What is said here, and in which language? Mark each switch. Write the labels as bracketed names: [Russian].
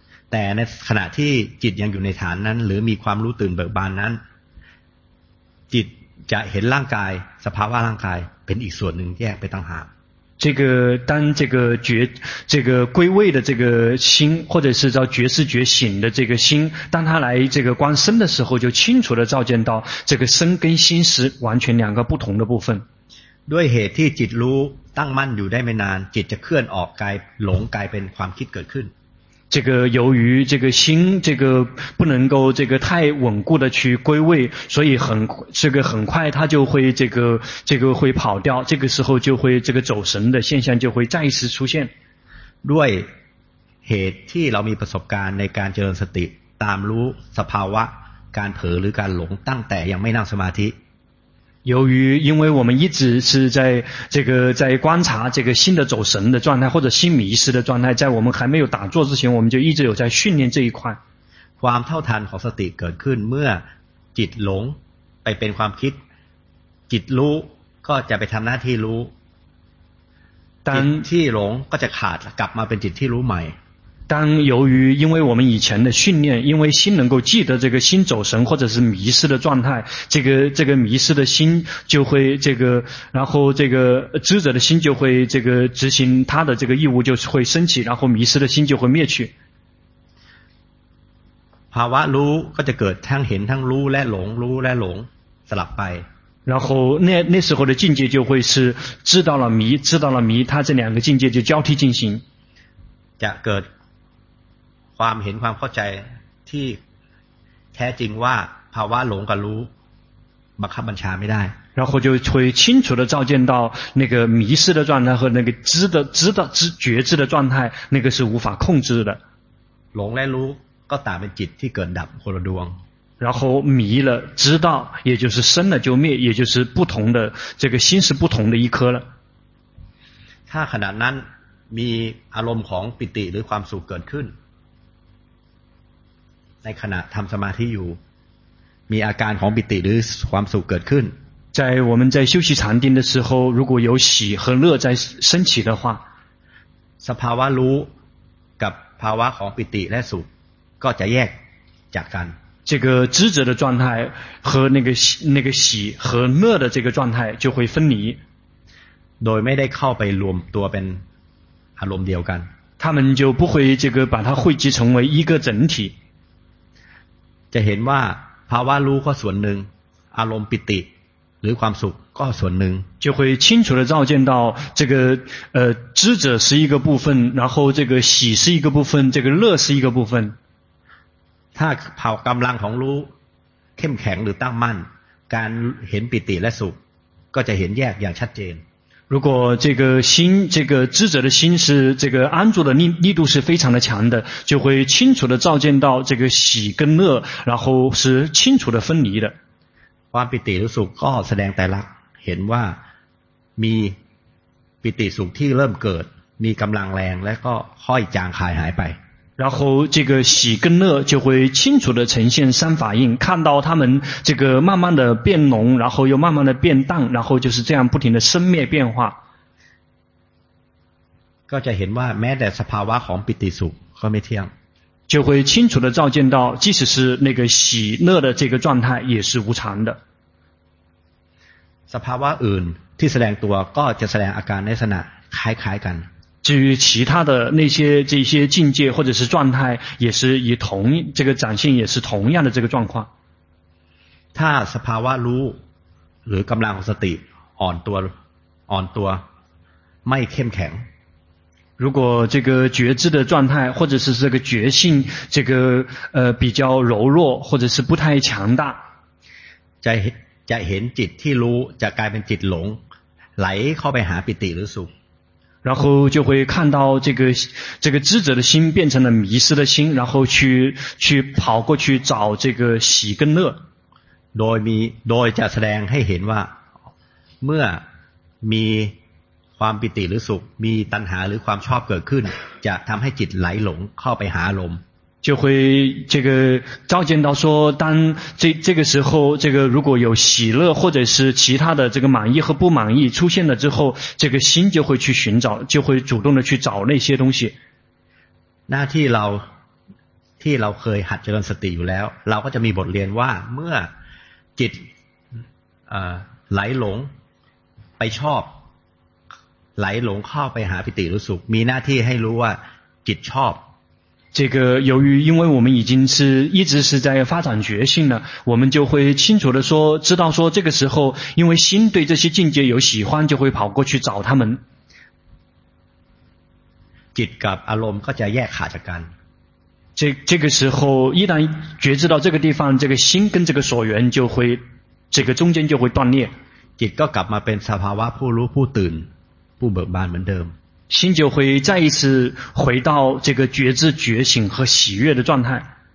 [Thai] แต่ในขณะที่จิตยังอยู่ในฐานนั้นหรือมีความรู้ตื่นเบิกบานนั้นจิตจะเห็นร่างกายสภาวะร่างกายเป็นอีกส่วนหนึ่งแยกไปต่างหาก [Chinese] 这个当这个觉这个归位的这个心或者是叫觉思觉醒的这个心当他来这个观身的时候就清楚地照见到这个身跟心是完全两个不同的部分 [Thai] ด้วยเหตุที่จิตรู้ตั้งมั่นอยู่ได้ไม่นานจิตจะเคลื่อนออกกายหลงกลายเป็นความคิดเกิดขึ้น [Chinese] 这个由于这个心这个不能够这个太稳固的去归位所以很快它就会这个会跑掉这个时候就会这个走神的现象就会再次出现 [Thai] ด้วยเหตุที่เรามีประสบการณ์ในการเจริญสติตามรู้สภาวะการเผลอหรือการหลงตั้งแต่ยังไม่นั่งสมาธิ [Chinese] 由于因为我们一直是在这个在观察这个心的走神的状态或者心迷失的状态在我们还没有打坐之前我们就一直有在训练这一块 [Thai] ความเท่าทันของสติเกิดขึ้นเมื่อจิตหลงไปเป็นความคิดจิตรู้ก็จะไปทำหน้าที่รู้จิตที่หลงก็จะขาดกลับมาเป็นจิตที่รู้ใหม่ [Chinese] 当由于因为我们以前的训练，因为心能够记得这个心走神或者是迷失的状态，这个迷失的心就会这个，然后这个知者的心就会这个执行他的这个义务就会升起，然后迷失的心就会灭去。 [Thai] ภาวะรู้ก็จะเกิดทั้งเห็นทั้งรู้และหลงรู้และหลงสลับไป [Chinese] 然后那时候的境界就会是知道了迷知道了迷他这两个境界就交替进行 [Thai] จะเกิดความเห็นความเข้าใจที่แท้จริงว่าภาวะหลงกับรู้บังคับบัญชาไม่ได้ [Chinese] 然后就会清楚地照见到那个迷失的状态和那个知觉知的状态那个是无法控制的 [Thai] หลงและรู้ก็ตามเป็นจิตที่เกิดดับคนละดวง [Chinese] 然后迷了知道也就是生了就灭也就是不同的这个心是不同的一颗了 [Thai] ถ้าขณะนั้นมีอารมณ์ของปิติหรือความสุขเกิดขึ้นในขณะทำสมาธิอยู่มีอาการของปิติหรือความสุขเกิดขึ้น [Chinese] 在我们在休息禅定的时候如果有喜和乐在升起的话 [Thai] สภาวะรู้กับภาวะของปิติและสุขก็จะแยกจากกัน [Chinese] 这个知者的状态和那个喜和乐的这个状态就会分离 [Thai] โดยไม่ได้เข้าไปรวมตัวเป็นอารมณ์เดียวกัน [Chinese] 他们就不会这个把它汇集成为一个整体 [Thai] จะเห็นว่าภาวะรู้ก็ส่วนหนึ่งอารมณ์ปิติหรือความสุขก็ส่วนหนึ่ง [Chinese] 就会清楚地照见到这个知者是一个部分然后这个喜是一个部分这个乐是一个部分 [Thai] ถ้าเผากำลังของรู้เข้มแข็งหรือตั้งมั่นการเห็นปิติและสุขก็จะเห็นแยกอย่างชัดเจน [Chinese] 如果这个心这个智者的心是这个安住的力度是非常的强的就会清楚的照见到这个喜跟乐然后是清楚的分离的 [Thai] ความปิติหรือสุขก็แสดงไตรลักษณ์เห็นว่ามีปิติสุขที่เริ่มเกิดมีกำลังแรงและก็ค่อยจางคายหายไป [Chinese] 然后这个喜跟乐就会清楚地呈现三法印看到他们这个慢慢地变浓然后又慢慢地变淡然后就是这样不停地生灭变化 [Thai] ก็จะเห็นว่าแม้แต่สภาวะของปิติสุขก็ไม่เที่ยง [Chinese] 就会清楚地照见到即使是那个喜乐的这个状态也是无常的 [Thai] สภาวะอื่นที่แสดงตัวก็จะแสดงอาการลักษณะคล้ายๆกัน [Chinese] 至于其他的那些这些境界或者是状态也是以同这个展现也是同样的这个状况 [Thai] ถ้าสภาวะรู้หรือกำลังของสติอ่อนตัวไม่เข้มแข็ง [Chinese] 如果这个觉知的状态或者是这个觉性这个比较柔弱或者是不太强大 [Thai] จะเห็นจิตที่รู้จะกลายเป็นจิตหลงไหลเข้าไปหาปิติหรือสุข [Chinese] 然后就会看到这个知者的心变成了迷失的心，然后去跑过去找这个喜跟乐。 [Thai] โดยจะแสดงให้เห็นว่าเมื่อมีความปิติหรือสุขมีตัณหาหรือความชอบเกิดขึ้นจะทำให้จิตไหลหลงเข้าไปหาลม [Chinese] 就会这个照见到说当这个时候这个如果有喜乐或者是其他的这个满意和不满意出现了之后这个心就会去寻找就会主动的去找那些东西 [Thai] 那ที่เราเคยหัดเจริญสติอยู่แล้วเราก็จะมีบทเรียนว่าเมื่อจิตไหลหลงไปชอบไหลหลงเข้าไปหาปิติรู้สึกมีหน้าที่ให้รู้ว่าจิตชอบ [Chinese] 这个由于因为我们已经是一直是在发展觉性了我们就会清楚的说知道说这个时候因为心对这些境界有喜欢就会跑过去找他们 [Thai] จิตกับอารมณ์ก็จะแยกขาดจากกัน [Chinese] 这个时候一旦觉知到这个地方这个心跟这个所缘就会这个中间就会断裂 [Thai] จิตก็กลับมาเป็นสภาวะผู้รู้ผู้ตื่นผู้เบิกบานเหมือนเดิม [Chinese] 心就会再一次回到这个觉知觉醒和喜悦的状态